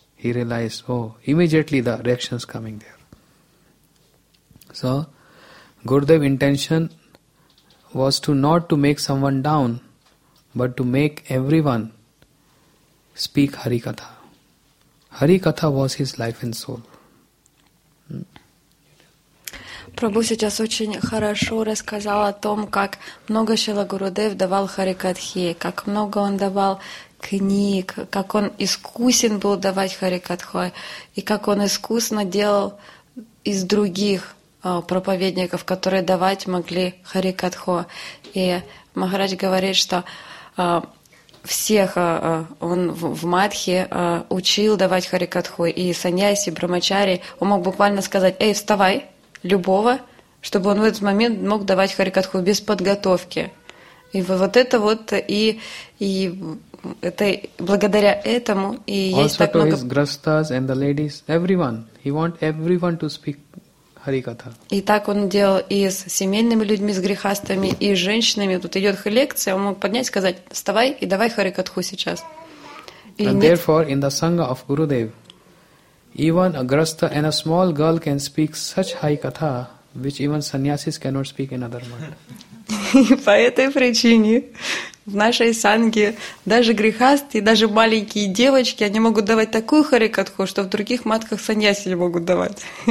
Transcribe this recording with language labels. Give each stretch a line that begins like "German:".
English: He realized, oh, immediately the reaction is coming there. So, Gurudev's intention was to not to make someone down, but to make everyone speak Harikatha. Harikatha was his life and soul.
Russian: Прабху сейчас очень хорошо рассказал о том, как много Шрила Гурудев давал Харикатхи, как много он давал книг, как он искусен был давать Харикатху, и как он искусно делал из других проповедников, которые давать могли Харикатху. И Махарадж говорит, что всех он в Мадхе учил давать Харикатху, и саньяси, и брамачари, он мог буквально сказать: «Эй, вставай!» любого, чтобы он в этот момент мог давать харикатху без подготовки. И вот это вот, и это благодаря этому и есть так много...
English: Also to his grastas and the ladies, everyone. He want everyone to speak harikatha.
Russian: И так он делал и с семейными людьми, с грехастами, и с женщинами. Тут идет лекция, он мог поднять и сказать, вставай и давай харикатху сейчас. И and нет...
English: therefore, in the sangha of Gurudev, even a grasta and a small girl can speak such high katha, which even sannyasis cannot speak in other world.
Russian: По этой причине в нашей санге даже грехасты, даже маленькие девочки, они могут давать такую харикатху, что в других матках саньяси не могут давать.